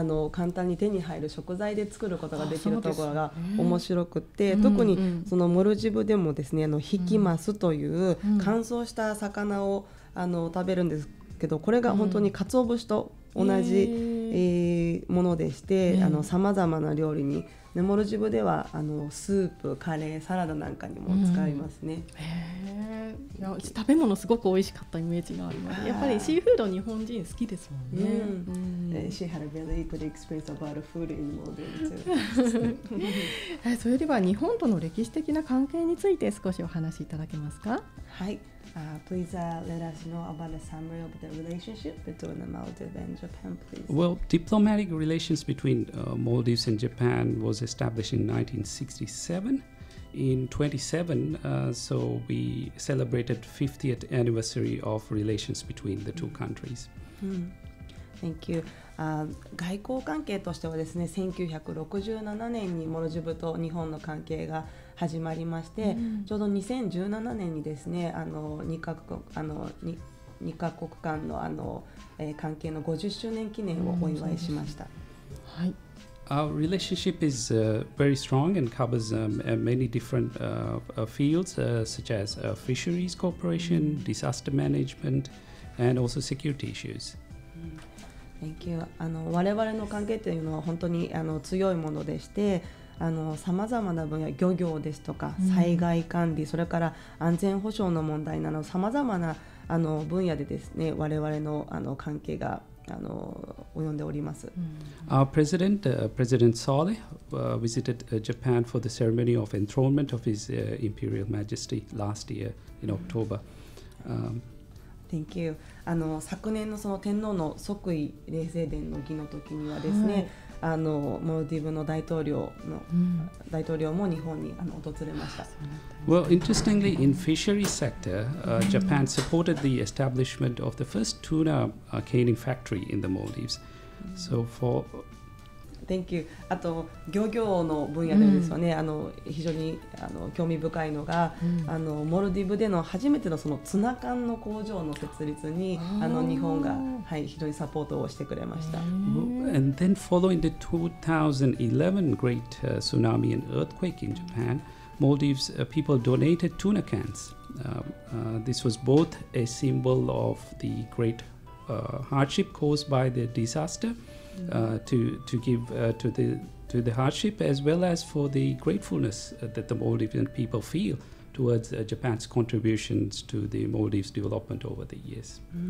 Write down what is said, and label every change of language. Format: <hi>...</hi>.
<ja>簡単に手に入る食材で作ることができるところが面白くて、特にそのモルジブでもですね、ヒキマスという乾燥した魚を食べるんですけど、これが本当に鰹節と同じ、ものでして、さまざまな料理に、ね、モルジブではスープ、カレー、サラダなんかにも使いますね。へー、食べ物すごく美味しかったイメージがあります。やっぱりシーフード日本人好きですもんね。</ja> <en>She had a really good experience about food in Moldova too.</en> <ja>それでは日本との歴史的な関係について少しお話しいただけますか。</ja> <en>はい、please let us know about the summary of the relationship between the Maldives and Japan, please. Well, diplomatic relations between Maldives and Japan was established in 1967. In 27, so we celebrated 50th anniversary of relations between the two countries. Thank you.</en> <ja>外交関係としてはですね、1967年にモルジブと日本の関係が始まりまして、ちょうど2017年にですね、2カ国間 の、 関係の50周年記念をお祝いしました。はい。</ja> <en>Our relationship is very strong and covers many different fields, such as fisheries cooperation, disaster management, and also security issues. Thank you.</en> <ja>我々の関係というのは本当に強いものでして、さまざまな分野、漁業ですとか災害管理、それから安全保障の問題など、さまざまな分野でですね、我々 の、 関係が及んでおります。</ja> <en>Our president, President Sole, visited Japan for the ceremony of enthronement of his Imperial Majesty last year in October. Thank you.</en> <ja>昨年 の、 その天皇の即位礼正殿の儀の時にはですね、モルディブの大統領の、大統領も日本に訪れました。</ja> <en>Well, interestingly, in fishery sector, Japan supported the establishment of the first tuna caning factory in the Maldives. So for Thank you.</en> <ja>あと漁業の分野でですよね、非常に興味深いのが、モルディブでの初めてのそのツナ缶の工場の設立に日本が、非常にサポートをしてくれました。</ja> <en>And then following the 2011 great tsunami and earthquake in Japan, Maldives people donated tuna cans. This was both a symbol of the great hardship caused by the disaster,to give to the hardship as well as for the gratefulness that the Maldivian people feel towards Japan's contributions to the Maldives development over the years.</en>